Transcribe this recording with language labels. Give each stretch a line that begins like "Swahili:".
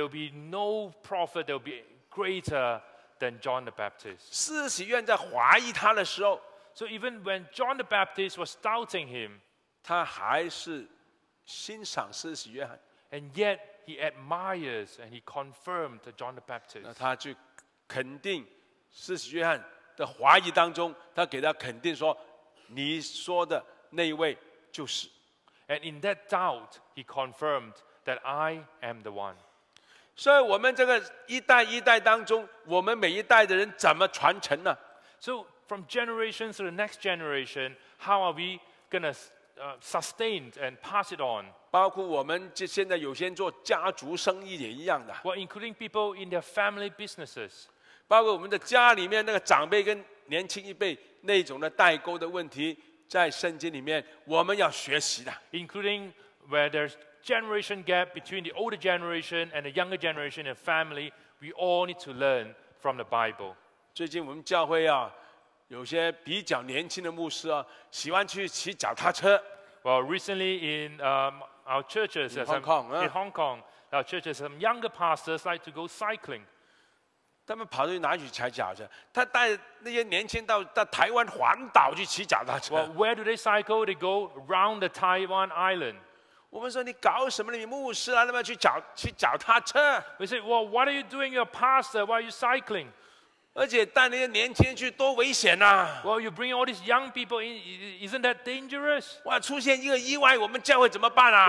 English: There will be no prophet that will be greater than John the Baptist.
Chinese: 施洗约翰在怀疑他的时候
English: So even when John the Baptist was doubting him,
Chinese: 他还是欣赏施洗约翰
English: And yet, He admires and he confirmed John the Baptist.
Chinese: 那他就肯定施洗约翰的怀疑当中，他给他肯定说，你说的那一位就是。
English: And in that doubt, he confirmed that I am the one.
Chinese: 所以我们这个一代一代当中，我们每一代的人怎么传承呢
English: ？So from generation to the next generation, how are we going to sustain and pass it on?
Chinese: 包括我们现在有些做家族生意也一样的。
English: Well, including people in their family businesses.
Chinese: 包括我们的家里面那个长辈跟年轻一辈那种的代沟的问题，在圣经里面我们要学习的。
English: Including where there's generation gap between the older generation and the younger generation in family, we all need to learn from the Bible.
Chinese: 最近我们教会啊，有些比较年轻的牧师啊，喜欢去骑脚踏车。
English: Well, recently in our churches, in Hong Kong, our churches, some younger pastors like to go cycling.
Chinese: 他们跑去哪里骑脚车？他带那些年轻到台湾环岛去骑脚踏车。
English: Well, where do they cycle? They go around the Taiwan island.
Chinese: 我们说你搞什么？你牧师啊，那么去脚踏车
English: ？We say, well, what are you doing? You're a pastor. Why are you cycling?
Chinese: 而且带那些年轻人去多危险啊。
English: Well, you bring all these young people in, isn't that dangerous?
Chinese: 哇，出现一个意外，我们教会怎么办啊？